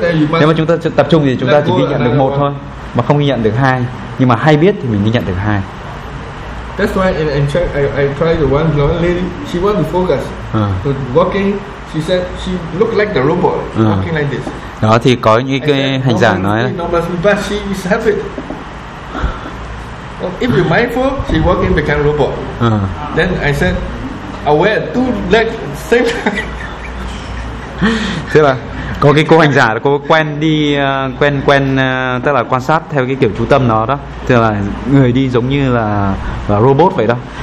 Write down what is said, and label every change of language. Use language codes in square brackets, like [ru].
[vi] Nếu mà chúng ta tập trung thì chúng ta chỉ ghi nhận được một thôi mà không ghi nhận được hai. Nhưng mà hay biết thì mình ghi nhận được hai. [en] That's why I tried the one blonde lady. She want to focus. Walking, she said she look like the robot walking like this. [vi] Đó thì có những cái hành giả nói. [en] But she is happy. If you mindful, she walking become robot. Then I said, aware two legs same. [vi] Thế là có cái cô hành giả là cô quen đi quen tức là quan sát theo cái kiểu chú tâm nó đó, tức là người đi giống như là robot vậy đó.